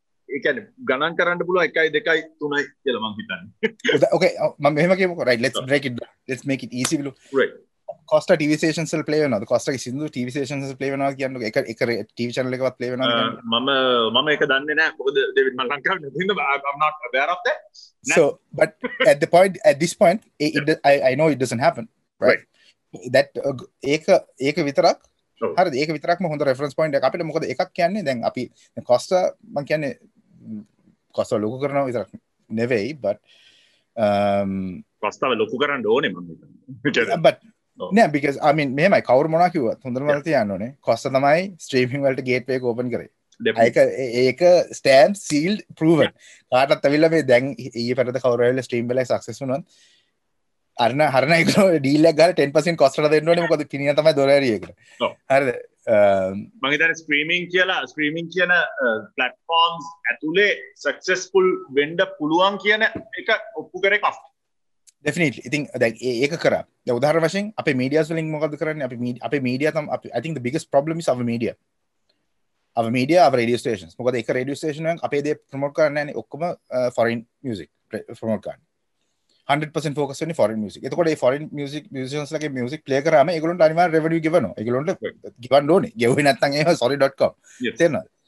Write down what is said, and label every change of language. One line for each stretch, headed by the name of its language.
Sinhala: ඒ කියන්නේ ගණන් කරන්න පුළුවන් 1 2 3 කියලා මං හිතන්නේ. ඔකේ මම මෙහෙම කියමුකෝ.
English: Right let's break it down. Let's make it easy blue. Right. Costa TV stations will play
Sinhala: වෙනවද? Costa කිසිම
English: TV stations will play
Sinhala: වෙනවා කියන්නේ එක TV channel එකවත් play වෙනවද? මම ඒක දන්නේ නැහැ. මොකද ඩේවිඩ් මම ලංකාවේ නැති හින්දා
English: I'm not aware of that. So but at this point I know it doesn't happen, right?
Sinhala: That ඒක විතරක් හරිද? ඒක විතරක්ම හොඳ reference point එක අපිට. මොකද එකක් කියන්නේ දැන් අපි Costa මම කියන්නේ Costa ලොකු කරනවා විතරක් නෙවෙයි but Costa ලොකු කරන්න ඕනේ මම හිතන්නේ.
English: But no because I mean
Sinhala: මෙහෙමයි කවුරු මොනා කිව්වත් හොඳම වැඩ තියන්නේ Costa තමයි streaming වලට gateway එක open කරේ. ඒක
English: stamp sealed proven.
Sinhala: කාටත් අවිලා මේ දැන් ඊයේ පෙරද කවුරු හරි stream වෙලා success වුණොත් අරන ඒක deal එක ගාලා 10% cost එකට දෙන්න ඕනේ මොකද කිනිය තමයි දොර ඇරිය එක. හරිද? මම හිතන්නේ streaming කියන platforms ඇතුලේ successful වෙන්න පුළුවන් කියන එක ඔප්පු කරේ Costa.
English: Definitely. I think that
Sinhala: ඒක කරා. දැන් උදාහරණ වශයෙන් අපේ media selling මොකද කරන්නේ? අපේ media තමයි
English: I think the biggest problem is our media. Our media, our radio stations.
Sinhala: මොකද ඒක radio station එකක් අපේ දේ promote කරන්න නැහැ. ඔක්කොම foreign music promote කරන්න. 100% focus වෙන්නේ foreign music. එතකොට ඒ foreign music musicians ලගේ music play කරාම ඒගොල්ලන්ට අනිවාර්ය revenue ගෙවනවා. ඒගොල්ලන්ට ගෙවන්න ඕනේ. ගෙවුවේ නැත්නම් ඒක sorry.com. තේරෙනවද?